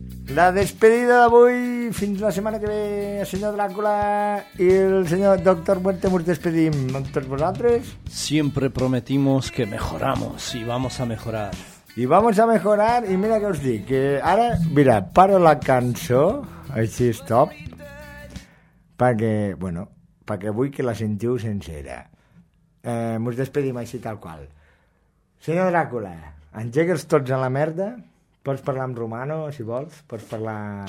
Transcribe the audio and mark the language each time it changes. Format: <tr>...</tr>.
<ca>La despedida d'avui, fins la setmana que ve, el senyor Dràcula i el senyor Doctor Muerte, us despedim amb tots vosaltres.</ca> <es>Siempre prometimos que mejoramos y vamos a mejorar.</es> <ca>I</ca> <es>vamos a mejorar,</es> <ca>i mira que us dic, que ara, mira, paro la cançó, així stop, perquè, bueno, perquè vull que la sentiu sencera. Ens despedim així tal qual. Senyor Dràcula, engegues tots a la merda, pots parlar amb Romano, si vols, pots parlar...</ca>